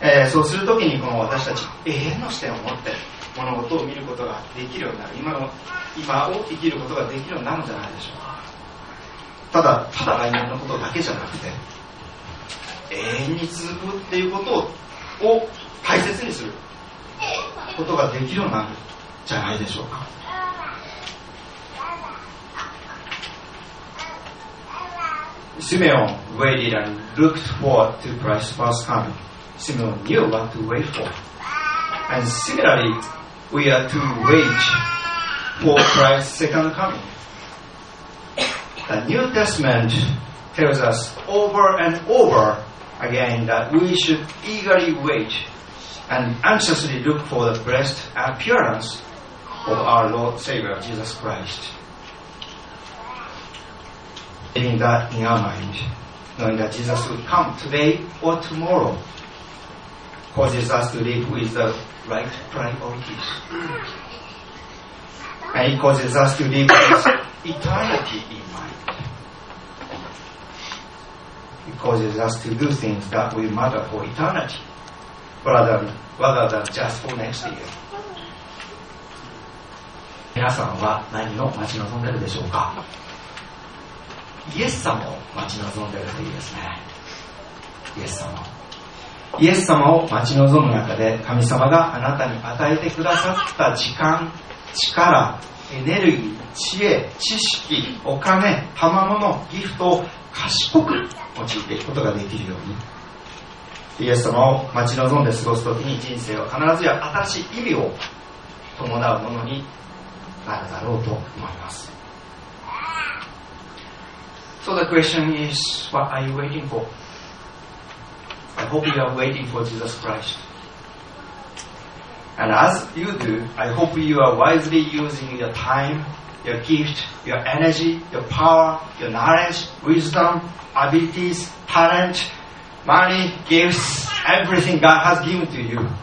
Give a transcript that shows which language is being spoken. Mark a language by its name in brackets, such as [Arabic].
[Japanese] そうするときにこの私たち永遠の視点を持って物事を見ることができるようになる、今を生きることができるようになるんじゃないでしょうか。ただ来年のことだけじゃなくて永遠に続くっていうことを大切にすることができるようになるんじゃないでしょうか。 [English] Simeon waited and looked forward to Christ's first comingSimeon knew what to wait for. And similarly, we are to wait for Christ's second coming. The New Testament tells us over and over again that we should eagerly wait and anxiously look for the blessed appearance of our Lord Savior Jesus Christ. Keeping that in our mind, knowing that Jesus will come today or tomorrow, causes us to live with the right priorities. And it causes us to live with eternity in mind. It causes us to do things that will matter for eternity, rather than just for next year. [Japanese] 皆さんは何を待ち望んでいるでしょうか。イエス様を待ち望んでいるといいですね。イエス様を待ち望む中で、神様があなたに与えてくださった時間、力、エネルギー、知恵、知識、お金、賜物、ギフトを賢く用いていくことができるように、イエス様を待ち望んで過ごすときに、人生は必ずや新しい意味を伴うものになるだろうと思います。 [English] So the question is, what are you waiting for? I hope you are waiting for Jesus Christ. And as you do, I hope you are wisely using your time, your gift, your energy, your power, your knowledge, wisdom, abilities, talent, money, gifts, everything God has given to you.